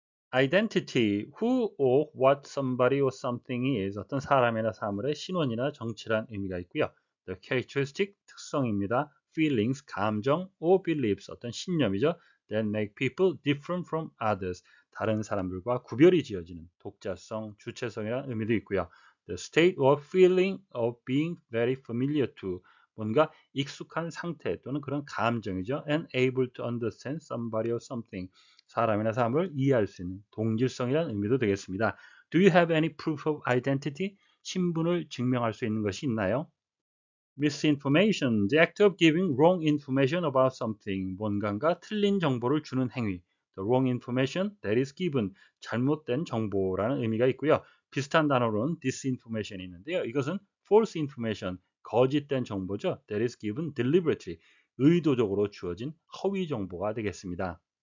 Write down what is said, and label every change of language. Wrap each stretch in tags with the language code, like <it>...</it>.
<en>Identity, who or what somebody or something is,</en> <ko>어떤 사람이나 사물의 신원이나 정체란 의미가 있고요.</ko> <en>The characteristic,</en> <ko>특성입니다.</ko> <en>Feelings,</en> <ko>감정,</ko> <en>or beliefs,</en> <ko>어떤 신념이죠.</ko> <en>that make people different from others.</en> <ko>다른 사람들과 구별이 지어지는 독자성, 주체성이라는 의미도 있고요.</ko> <en>The state or feeling of being very familiar to.</en> <ko>뭔가 익숙한 상태 또는 그런 감정이죠.</ko> <en>And able to understand somebody or something.</en> <ko>사람이나 사람을 이해할 수 있는 동질성이라는 의미도 되겠습니다.</ko> <en>Do you have any proof of identity?</en> <ko>신분을 증명할 수 있는 것이 있나요?</ko> <en>Misinformation. The act of giving wrong information about something.</en> <ko>뭔가가 틀린 정보를 주는 행위.</ko> <en>The wrong information that is given.</en> <ko>잘못된 정보라는 의미가 있고요. 비슷한 단어로는 disinformation이 있는데요. 이것은</ko> <en>false information.</en> <ko>거짓된 정보죠.</ko> <en>That is given deliberately.</en> <ko>의도적으로 주어진 허위 정보가 되겠습니다.</ko>